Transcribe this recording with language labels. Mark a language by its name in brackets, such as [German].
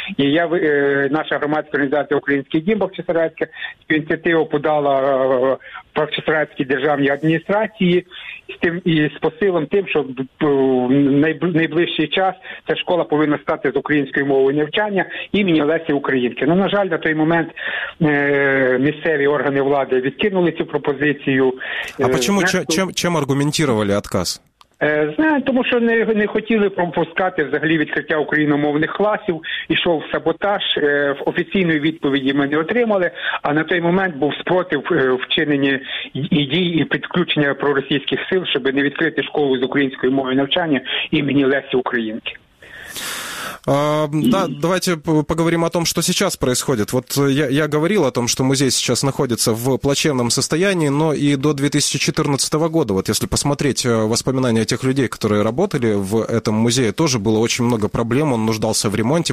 [Ukrainian] І я, наша громадська організація «Український дім Бахчисарайська» ініціативу подала Бахчисарайській державній адміністрації з тим і з посилом тим, що в найближчий час ця школа повинна стати з української мови навчання імені Лесі Українки. Ну, на жаль, на той момент місцеві органи влади відкинули цю пропозицію. [Russian] А почему, чем аргументировали отказ? [Ukrainian] Знаю, тому що не хотіли пропускати взагалі відкриття україномовних класів, ішов саботаж, офіційної відповіді ми не отримали, а на той момент був спротив вчинення і дій, і підключення проросійських сил, щоб не відкрити школу з української мови навчання імені Лесі Українки. [Russian] Да, давайте поговорим о том, что сейчас происходит. Вот я говорил о том, что музей сейчас находится в плачевном состоянии, но и до 2014 года, вот если посмотреть воспоминания тех людей, которые работали в этом музее, тоже было очень много проблем, он нуждался в ремонте.